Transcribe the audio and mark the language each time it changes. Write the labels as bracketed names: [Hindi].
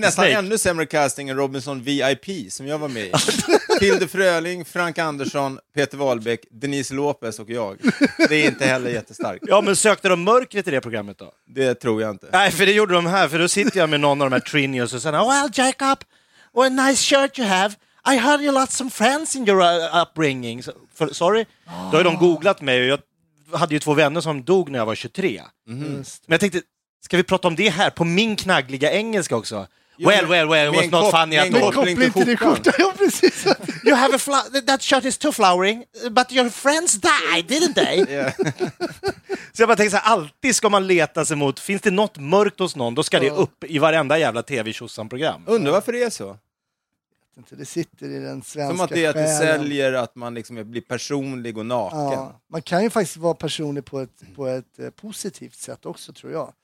[Swedish] Nästan ännu sämre casting än Robinson VIP som jag var med i. Hilde Fröling, Frank Andersson, Peter Wahlbeck, Denise Lopez och jag. Det är inte heller jättestarkt. Ja, men sökte de mörkret i det programmet då? Det tror jag inte. Nej, för det gjorde de här. För då sitter jag med någon av de här Trinios och säger, [English] well, Jacob, what a nice shirt you have. I heard you lost some friends in your upbringing. [Swedish] Sorry. Då har de googlat mig. Och jag hade ju två vänner som dog när jag var 23. Mm. Men jag tänkte, ska vi prata om det här på min knaggliga engelska också? [English] Well, it was not funny at all. [Swedish] Koppling till din skjorta, ja precis. [English] You have a that shirt is too flowering, but your friends died, didn't they? [Swedish] Så jag bara tänker så här, alltid ska man leta sig mot, finns det något mörkt hos någon, då ska det upp i varenda jävla tv-tjossan-program. Undrar varför det är så? Det sitter i den svenska som att det är att det säljer att man liksom blir personlig och naken. Ja, man kan ju faktiskt vara personlig på ett positivt sätt också, tror jag.